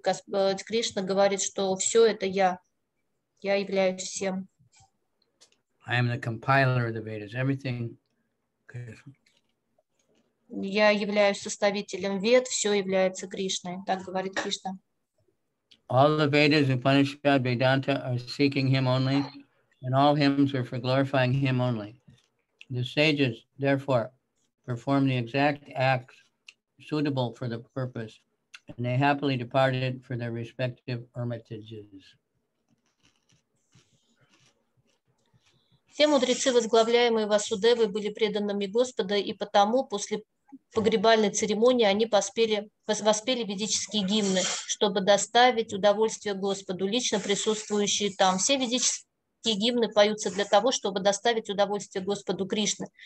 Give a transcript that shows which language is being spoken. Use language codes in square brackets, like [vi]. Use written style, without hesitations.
[ru] Господь Кришна говорит, что все это я. Я являюсь всем. [en] I am the compiler of the Vedas. Everything. [ru] Я являюсь составителем Вед, все является Кришной, так говорит Кришна. [en] All the Vedas, Upanishad, Vedanta are seeking Him only, and all hymns are for glorifying Him only. The sages, therefore, perform the exact acts suitable for the purpose, and they happily departed for their respective hermitages. [ru] Все мудрецы, возглавляемые Васудевой, были преданными Господа, и потому после погребальной церемонии они воспели ведические гимны, чтобы доставить удовольствие Господу, лично присутствующие там. Все ведические гимны поются для того, чтобы доставить удовольствие Господу Кришне.